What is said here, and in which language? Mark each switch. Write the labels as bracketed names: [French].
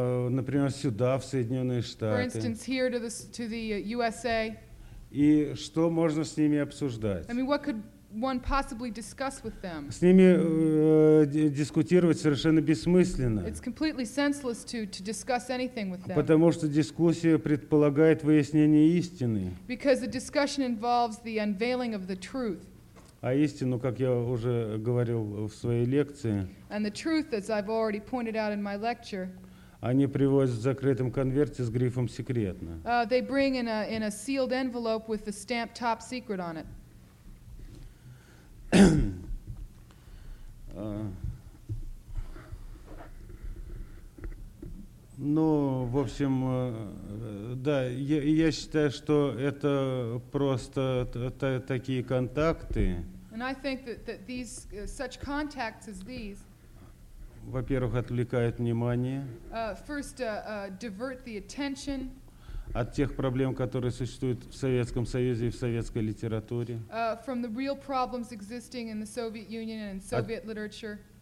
[Russian] Например, сюда, в Соединенные Штаты. [English] For instance, here to the USA. [Russian] И что можно с ними обсуждать? [English] I mean, what could one possibly discuss with them? [Russian] С ними дискутировать совершенно бессмысленно. [English] It's completely senseless to discuss anything with them. [Russian] Потому что дискуссия предполагает выяснение истины. [English] Because the discussion involves the unveiling of the truth. [Russian] А истину, как я уже говорил в своей лекции, [English] and the truth, as I've already pointed out in my lecture, [Russian] они привозят в закрытом конверте с грифом «секретно». [English] They bring in a sealed envelope with the stamp top secret on it. [Russian] Ну, в общем, да, я считаю, что это просто такие контакты. [English] And I think that these such contacts as these, [Russian] во-первых, отвлекают внимание [English] divert the attention [Russian] от тех проблем, которые существуют в Советском Союзе и в советской литературе, [English] from the real problems existing in the Soviet Union and in Soviet literature.